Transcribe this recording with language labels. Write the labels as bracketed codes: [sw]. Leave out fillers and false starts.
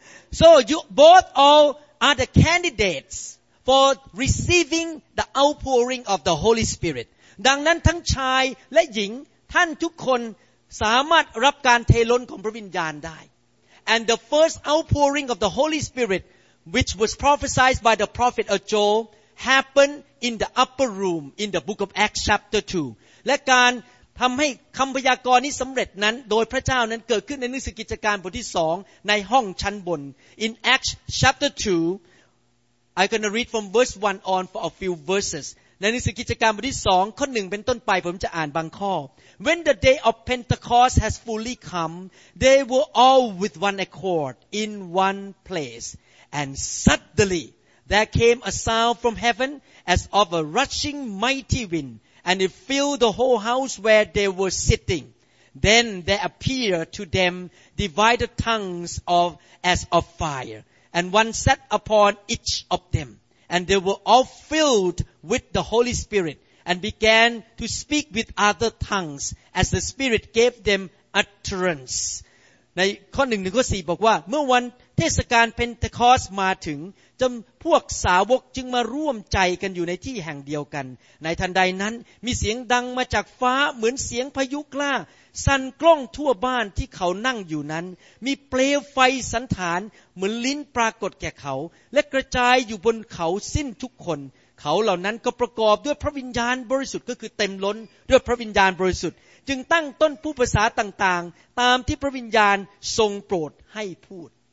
[en] So you both all are the candidates for receiving the outpouring of the Holy Spirit. [th] ดังนั้นทั้งชายและหญิงท่านทุกคนสามารถรับการเทล้นของพระวิญญาณได้ [en] And the first outpouring of the Holy Spirit, which was prophesied by the prophet Joel, happened in the upper room in the book of Acts chapter 2. [th] และการทำให้คำพยากรณ์นี้สำเร็จนั้นโดยพระเจ้านั้นเกิดขึ้นในหนังสือกิจการบทที่2ในห้องชั้นบน [en] In Acts chapter 2, I'm going to read from verse 1 on for a few verses. [th] ในหนังสือกิจการบทที่2ข้อ1เป็นต้นไปผมจะอ่านบางข้อ [en] When the day of Pentecost has fully come they were all with one accord in one place and suddenly there came a sound from heaven as of a rushing mighty wind and it filled the whole house where they were sitting then there appeared to them divided tongues of as of fire and one sat upon each of themAnd they were all filled with the Holy Spirit and began to speak with other tongues as the Spirit gave them utterance. [th] ในข้อ1ถึงข้อ4บอกว่าเมื่อวันเทศกาลเพนเทคอสต์มาถึงจําพวกสาวกจึงมาร่วมใจกันอยู่ในที่แห่งเดียวกันในทันใดนั้นมีเสียงดังมาจากฟ้าเหมือนเสียงพายุกล้า สั่นกล้องทั่วบ้านที่เขานั่งอยู่นั้นมีเปลวไฟสันฐานเหมือนลิ้นปรากฏแก่เขาและกระจายอยู่บนเขาสิ้นทุกคนเขาเหล่านั้นก็ประกอบด้วยพระวิญญาณบริสุทธิ์ก็คือเต็มล้นด้วยพระวิญญาณบริสุทธิ์จึงตั้งต้นพูดภาษาต่างๆตามที่พระวิญญาณทรงโปรดให้พูด